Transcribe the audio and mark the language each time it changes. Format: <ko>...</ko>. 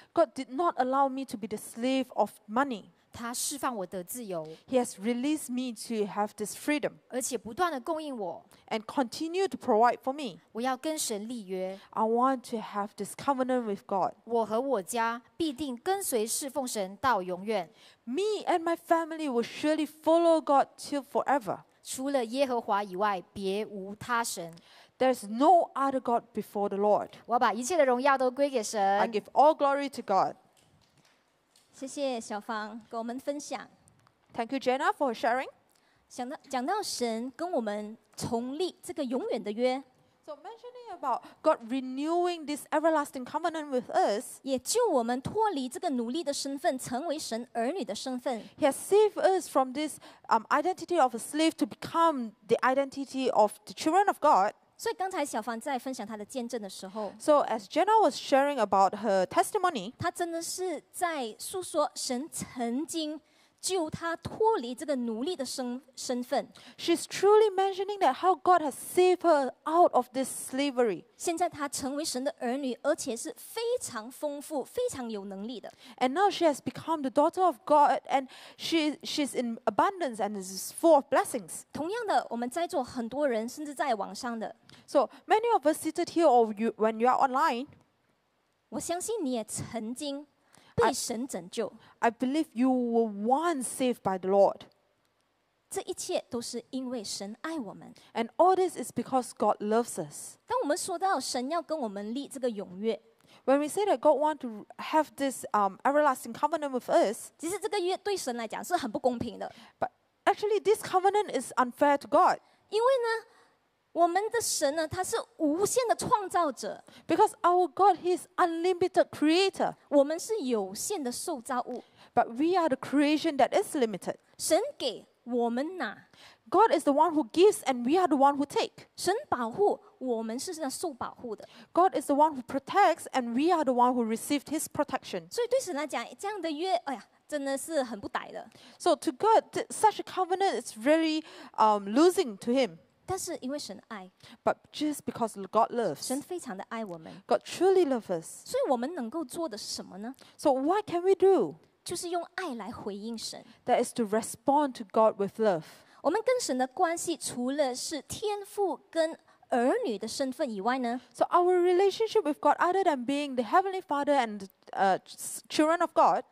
<en>God did not allow me to be the slave of money.</en> <zh>他释放我的自由。</zh> <en>He has released me to have this freedom.</en> <zh>而且不断的供应我。</zh> <en>And continue to provide for me.</en> <zh>我要跟神立约。</zh> <en>I want to have this covenant with God.</en> <zh>我和我家必定跟随侍奉神到永远。</zh> <en>Me and my family will surely follow God till forever.</en> <zh>除了耶和华以外，别无他神。</zh> <en>There's no other God before the Lord.</en> <zh>我把一切的荣耀都归给神。</zh> <en>I give all glory to God.</en> <zh>谢谢小芳跟我们分享。</zh> <en>Thank you, Jenna, for sharing.</en> <zh>讲到神跟我们重立这个永远的约。</zh> <en>So mentioning about God renewing this everlasting covenant with us,</en> <zh>也救我们脱离这个奴隶的身份，成为神儿女的身份。</zh> <en>He has saved us from this identity of a slave to become the identity of the children of God.</en> <zh>所以刚才小芳在分享她的见证的时候</zh> <en>，So as Jenna was sharing about her testimony，</en> <zh>她真的是在诉说神曾经救她脱离这个奴隶的身份。</zh> <en>She's truly mentioning that how God has saved her out of this slavery。</en> <zh>现在她成为神的儿女，而且是非常丰富、非常有能力的。</zh> <en>And now she has become the daughter of God, and she's in abundance and is full of blessings。</en> <zh>同样的，我们在座很多人，甚至在网上的。</zh> <en>So many of us seated here, or you, when you are online,</en> <zh>我相信你也曾经被神拯救。</zh> <en>I believe you were once saved by the Lord.</en> <zh>这一切都是因为神爱我们。</zh> <en>And all this is because God loves us.</en> <zh>当我们说到神要跟我们立这个永约。</zh> <en>When we say that God wants to have this everlasting covenant with us,</en> <zh>其实这个约对神来讲是很不公平的。</zh> <en>But actually, this covenant is unfair to God.</en> <zh>因为呢。我们的神呢，他是无限的创造者。</zh> <en>Because our God is unlimited creator.</en> <zh>我们是有限的受造物。</zh> <en>But we are the creation that is limited.</en> <zh>神给我们拿。</zh> <en>God is the one who gives, and we are the one who take.</en> <zh>神保护我们是那受保护的。</zh> <en>God is the one who protects, and we are the one who received His protection.</en> <zh>所以对神来讲，这样的约，哎呀，真的是很不歹的。</zh> <en>So to God, such a covenant is really losing to Him.</en> <zh>但是因为神爱</zh> <en>，But just because God loves，</en> <zh>神非常的爱我们</zh> <en>，God truly loves us。</en> <zh>所以我们能够做的是什么呢</zh> <en>？So what can we do？</en> <zh>就是用爱来回应神。</zh> <en>That is to respond to God with love。</en> <zh>我们跟神的关系除了是天父跟儿女的身份以外呢</zh> <en>？So our relationship with God, other than being the heavenly Father and children of God，</en>